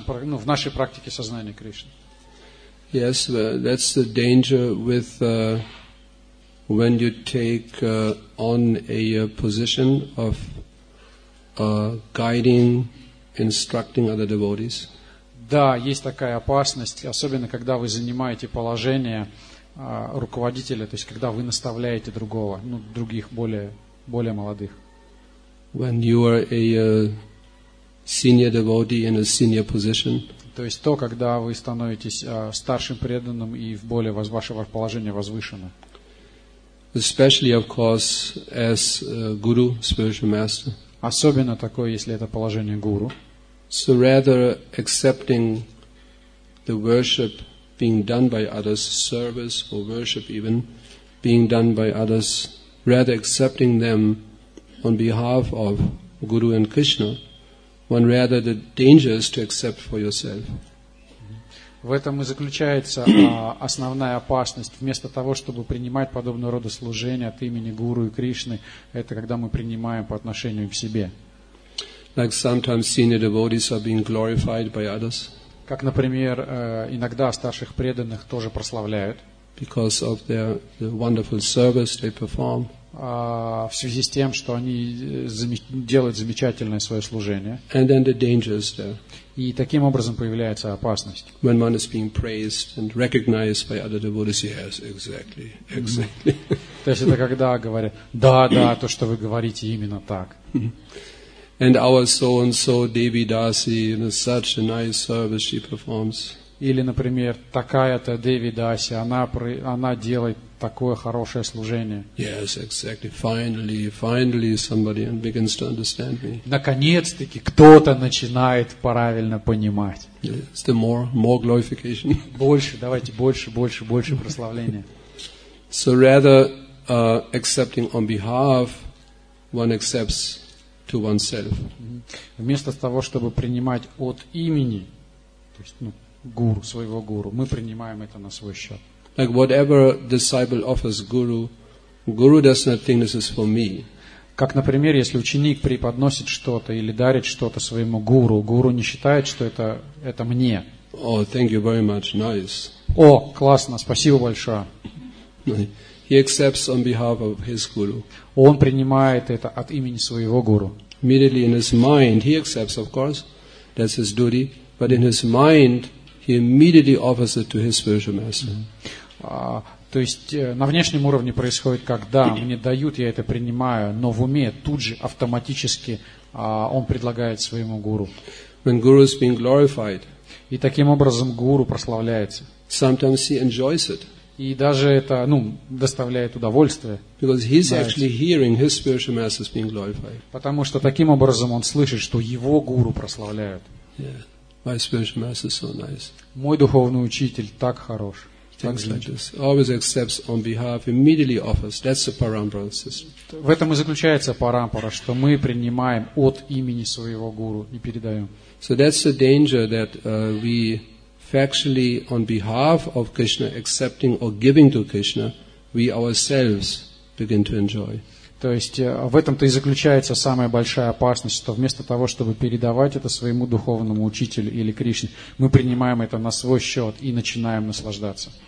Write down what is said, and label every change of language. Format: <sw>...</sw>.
<ru>В нашей практике сознания Кришны.</ru> <en>Yes, that's the danger with when you take on a position of guiding, instructing other devotees.</en> <ru>Да, есть такая опасность, особенно когда вы занимаете положение руководителя, то есть когда вы наставляете другого, ну, других более молодых.</ru> <en>When you are a senior devotee in a senior position.</en> <ru>То есть то, когда вы становитесь старшим преданным и в более ваше положение возвышено.</ru> <en>Especially, of course, as guru, spiritual master.</en> <ru>Особенно такое, если это положение гуру.</ru> <en>So rather accepting the worship being done by others, service or worship even being done by others, rather accepting them on behalf of guru and Krishna. One rather the danger is to accept for yourself.</en> <ru>В этом и заключается основная опасность. Вместо того, чтобы принимать подобного рода служение от имени Гуру и Кришны, это когда мы принимаем по отношению к себе.</ru> <en>Like sometimes senior devotees are being glorified by others.</en> <ru>Как, например, иногда старших преданных тоже прославляют.</ru> <en>Because of their wonderful service they perform.</en> <ru>В связи с тем, что они делают замечательное свое служение.</ru> <en>And then the danger is there.</en> <ru>И таким образом появляется опасность.</ru> <en>When one is being praised and recognized by other devotees, yes, exactly, exactly. Mm-hmm.</en> <ru>То есть это когда говорят, да, да, то, что вы говорите, именно так.</ru> <en>And our so-and-so Devi Dasi, such a nice service she performs.</en> <ru>Или, например, такая-то Деви Даси, она делает такое хорошее служение.</ru> <en>Yes, exactly. Finally somebody begins to understand me.</en> <ru>Наконец-таки кто-то начинает правильно понимать.</ru> <en>It's the more glorification.</en> <ru>Больше, давайте больше прославления.</ru> <en>So rather accepting on behalf, one accepts to oneself.</en> <ru>Вместо того, чтобы принимать от имени, то есть, ну, гуру, своего гуру, мы принимаем это на свой счет.</ru> <en>Like whatever disciple offers guru, guru does not think this is for me.</en> <ru>Как, например, если ученик преподносит что-то или дарит что-то своему гуру, гуру не считает, что это мне.</ru> <en>Oh, thank you very much. Nice.</en> <ru>О, классно, спасибо большое.</ru> <en>He accepts on behalf of his guru.</en> <ru>Он принимает это от имени своего гуру.</ru> <en>Immediately in his mind, he accepts, of course, that's his duty, but in his mind, he immediately offers it to his spiritual master.</en> <ru>То есть на внешнем уровне происходит, когда мне дают, я это принимаю, но в уме тут же автоматически он предлагает своему гуру.</ru> <en>When guru is being glorified.</en> <ru>И таким образом гуру прославляется.</ru> <en>Sometimes he enjoys it.</en> <ru>И даже это, ну, доставляет удовольствие.</ru> <en>Because he's actually hearing his spiritual master is being glorified.</en> <ru>Потому что таким образом он слышит, что его гуру прославляют.</ru> <en>Yeah. My spiritual master is so nice.</en> <ru>Мой духовный учитель так хорош.</ru> <en>Things like this. Always accepts on behalf, immediately offers. That's the Parampara system.</en> <ru>В этом и заключается парампара, что мы принимаем от имени своего гуру и передаем.</ru> <en>So that's the danger that we factually on behalf of Krishna accepting or giving to Krishna, we ourselves begin to enjoy.</en> <ru>То есть в этом-то и заключается самая большая опасность, что вместо того, чтобы передавать это своему духовному учителю или Кришне, мы принимаем это на свой счет и начинаем наслаждаться.</ru>